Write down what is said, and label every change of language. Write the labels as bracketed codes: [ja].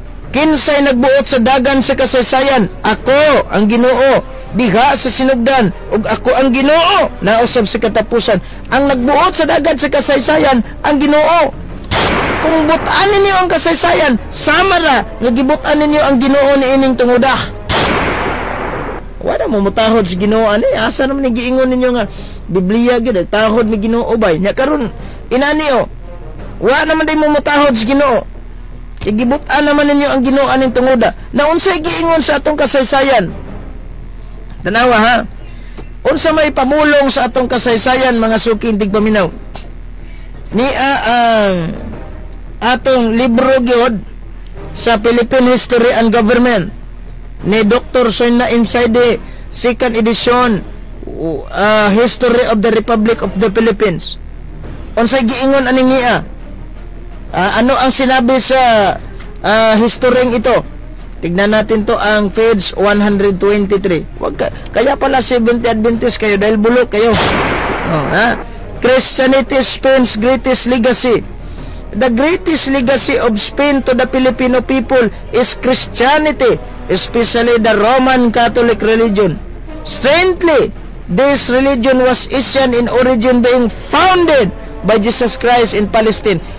[ceb] Kinsay nagbuot sa dagan sa kasaysayan? Ako ang Ginoo diha sa sinugdan ug ako ang Ginoo na usab sa katapusan. Ang nagbuot sa dagan sa kasaysayan ang Ginoo. Kung butaan ninyo ang kasaysayan, sama ra nga gibutaan ninyo ang Ginoo ni ining tungodah. Wala mo mutahod sa Ginoo ani, asa naman ni giingon ninyo nga Biblia gyud tahod ni Ginoo bay? Nya karon inani o. Wa naman day mo mutahod sa Ginoo. Igibutan naman ninyo ang Ginoo aning tunguda. Na unsa giingon sa atong kasaysayan? Tanawa ha. Unsa may pamulong sa atong kasaysayan mga suki tigpaminaw? Ni ang atong libro gyud sa Philippine History and Government ni Dr. [en] Soyna Imsaide, second edition, History of the Republic of the Philippines. [ceb] Unsa giingon aning niya? [tl] Ano ang sinabi sa historyeng ito? Tignan natin to ang page 123. Wag ka, kaya pala 70 Adventist kayo dahil bulok kayo. Oh, ha? [en] Christianity Spain's greatest legacy. The greatest legacy of Spain to the Filipino people is Christianity, especially the Roman Catholic religion. Strangely, this religion was Asian in origin being founded by Jesus Christ in Palestine.